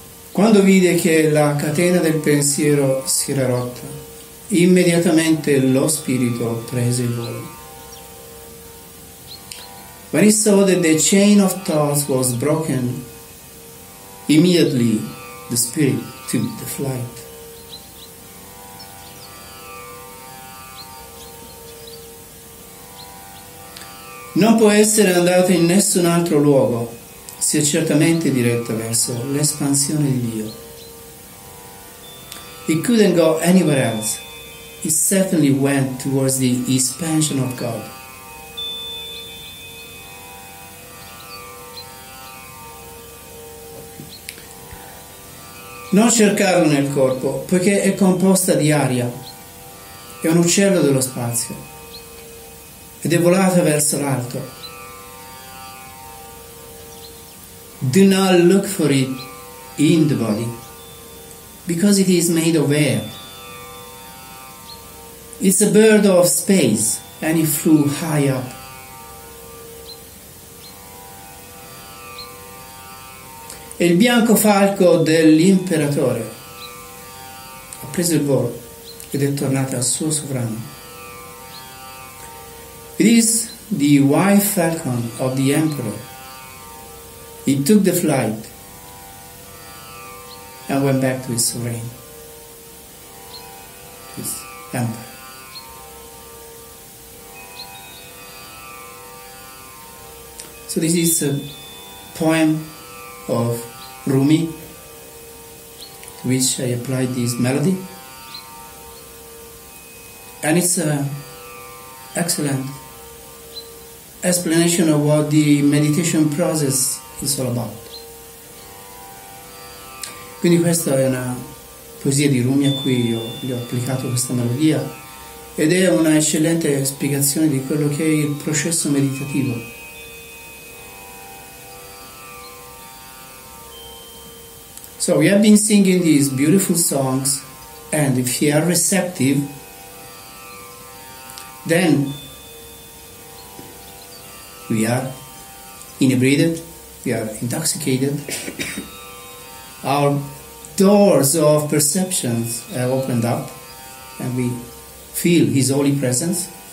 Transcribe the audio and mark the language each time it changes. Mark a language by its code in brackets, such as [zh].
[it] Quando vide che la catena del pensiero si era rotta, immediatamente lo spirito prese il volo. [en] When he saw that the chain of thoughts was broken, immediately the spirit took the flight. [it] Non può essere andato in nessun altro luogo, si è certamente diretto verso l'espansione di Dio. [en] It couldn't go anywhere else. It certainly went towards the expansion of God. [it] Non cercarlo nel corpo, poiché è composta di aria, è un uccello dello spazio, ed è volata verso l'alto. [en] Do not look for it in the body, because it is made of air. It's a bird of space, and it flew high up. [it] E il bianco falco dell'imperatore ha preso il volo ed è tornato al suo sovrano. [en] It is the white falcon of the emperor. It took the flight and went back to his sovereign, his emperor. So this is a poem of Rumi, to which I applied this melody, and it's an excellent explanation of what the meditation process is all about. [it] Quindi questa è una poesia di Rumi a cui io gli ho applicato questa melodia, ed è una eccellente spiegazione di quello che è il processo meditativo. [en] So we have been singing these beautiful songs, and if you are receptive, then we are inebriated, we are intoxicated, our doors of perceptions have opened up, and we feel His holy presence.